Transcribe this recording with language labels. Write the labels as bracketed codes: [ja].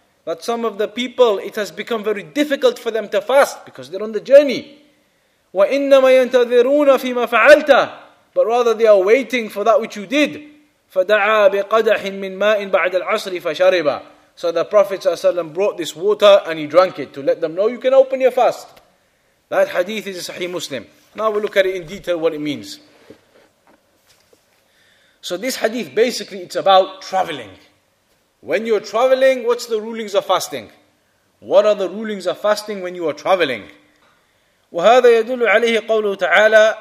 [en] That some of the people, it has become very difficult for them to fast because they're on the journey. [ar] وإنما ينتظرون فيما فعلت. [en] But rather they are waiting for that which you did. [ar] فدعا بقدح من ماء بعد العصر فشربا. [en] So the Prophet ﷺ brought this water and he drank it to let them know you can open your fast. That hadith is a Sahih Muslim. Now we'll look at it in detail what it means. So this hadith, basically it's about traveling. When you're traveling, what's the rulings of fasting? What are the rulings of fasting when you are traveling? [ar] وهذا يدل عليه قوله تعالى.